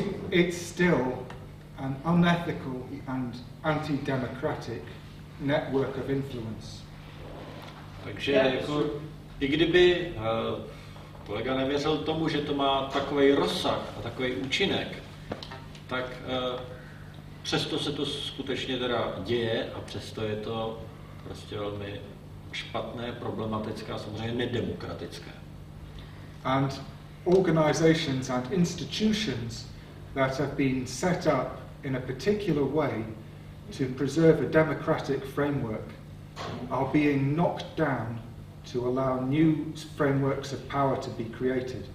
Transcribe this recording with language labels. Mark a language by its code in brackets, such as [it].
[en] It's still an unethical and anti-democratic network of influence. [cs] Takže jako i kdyby kolega nevěřil tomu, že to má takový rozsah a takový účinek, tak přesto se to skutečně teda děje a přesto je to prostě velmi špatné, problematické a samozřejmě nedemokratické. [en] And organizations and institutions that have been set up in a particular way to preserve a democratic framework are being knocked down to allow new frameworks of power to be created.